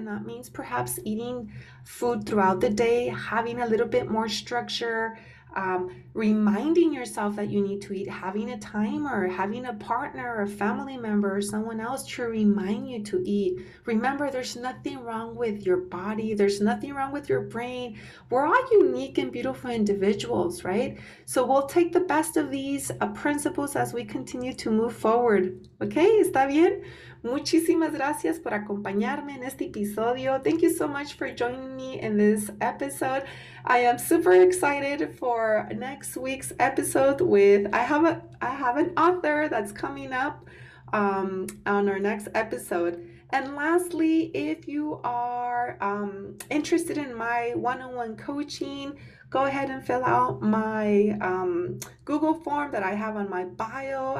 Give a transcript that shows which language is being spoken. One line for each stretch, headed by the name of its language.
English: And that means perhaps eating food throughout the day, having a little bit more structure, reminding yourself that you need to eat, having a timer, having a partner or a family member or someone else to remind you to eat. Remember, there's nothing wrong with your body. There's nothing wrong with your brain. We're all unique and beautiful individuals, right? So we'll take the best of these principles as we continue to move forward.
Spanish: Okay, está bien? Muchísimas gracias por acompañarme en este episodio.
English: Thank you so much for joining me in this episode. I am super excited for next week's episode with, I have an author that's coming up on our next episode. And lastly, if you are interested in my one-on-one coaching, go ahead and fill out my Google form that I have on my bio.